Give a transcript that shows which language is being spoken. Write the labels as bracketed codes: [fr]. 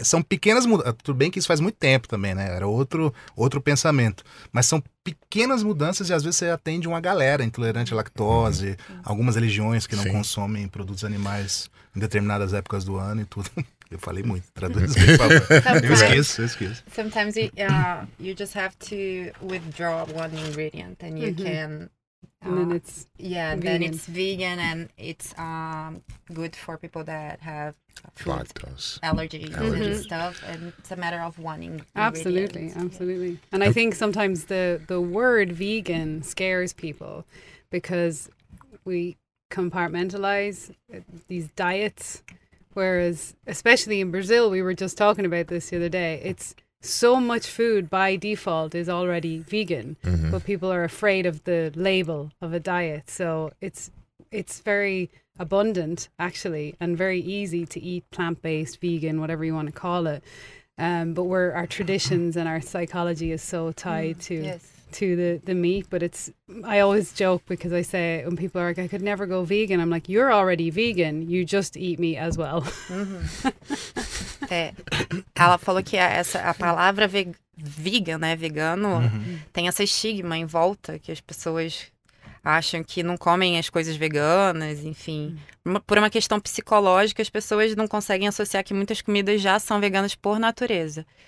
[pt] São pequenas mudanças, tudo bem que isso faz muito tempo também, né? Era outro pensamento, mas são pequenas mudanças e às vezes você atende uma galera intolerante à lactose, uhum. algumas religiões que não Sim. consomem produtos animais em determinadas épocas do ano e tudo. Eu falei muito, traduz, por favor. Eu esqueço. [en] Sometimes you just have to withdraw one ingredient and you mm-hmm. can... Then it's vegan and it's good for people that have food, lactose, allergies and stuff. And it's a matter of one ingredient. Absolutely. And I think sometimes the word vegan scares people because we compartmentalize these diets. Whereas, especially in Brazil, we were just talking about this the other day, it's so much food by default is already vegan, mm-hmm. but people are afraid of the label of a diet. So it's very abundant, actually, and very easy to eat plant-based, vegan, whatever you want to call it. But our traditions and our psychology is so tied to... Yes. to the meat, but it's, I always joke because I say when people are like, I could never go vegan, I'm like, you're already vegan, you just eat meat as well. Uhum. [pt] Ela falou que a palavra vegan, né, vegano, uhum. tem essa estigma em volta, que as pessoas acham que não comem as coisas veganas, enfim. Uhum. Por uma questão psicológica, as pessoas não conseguem associar que muitas comidas já são veganas por natureza.